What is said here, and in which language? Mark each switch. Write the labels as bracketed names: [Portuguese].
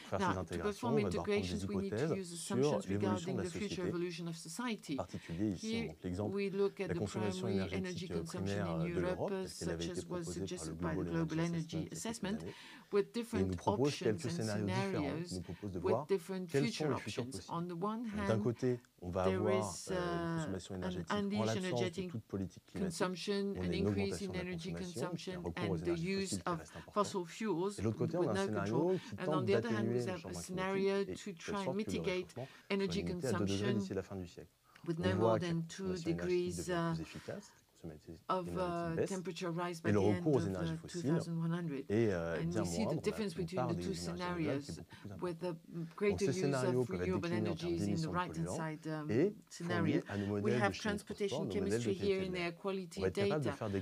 [English] Now, to perform integrations, we need to use assumptions regarding the future evolution of society. Here, we look at the primary energy consumption in Europe, such as was suggested by the Global Energy Assessment, with different options and scenarios, with different future options. On the one hand, [French] on va avoir consommation énergétique en l'absence de toute politique climatique, on a une augmentation de la consommation et un recours aux énergies fossiles qui reste important. Et de l'autre côté, on a un scénario qui tente d'atténuer le changement climatique et faire en sorte que le réchauffement soit limité à 2 degrés d'ici la fin du siècle. On voit que la consommation énergétique devient plus efficace. [English] Of temperature rise by the end of 2100, and we see the difference between the two scenarios, with the greater use of renewable energies in the right-hand side scenario. We have transportation chemistry here in air quality data.